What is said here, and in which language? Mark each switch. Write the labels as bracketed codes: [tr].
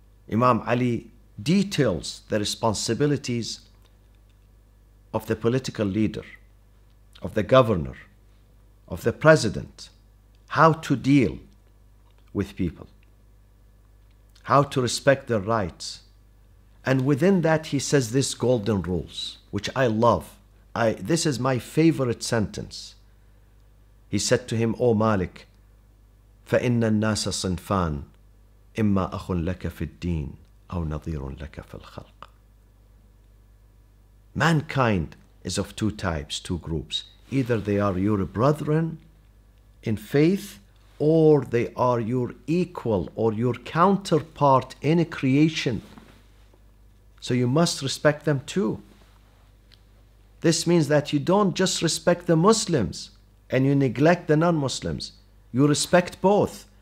[en] Imam Ali details the responsibilities of the political leader, of the governor, of the president, how to deal with people, how to respect their rights. And within that, he says this golden rules, which I love. This is my favorite sentence. He said to him, O Malik, [ar] فَإِنَّ النَّاسَ صِنْفَانْ إِمَّا أَخٌ لَكَ فِي الدِّينِ أَوْ نَظِيرٌ لَكَ فِي الْخَلْقِ. [en] Mankind is of two types, two groups. Either they are your brethren in faith, or they are your equal or your counterpart in a creation. So you must respect them too. This means that you don't just respect the Muslims and you neglect the non-Muslims. You respect both.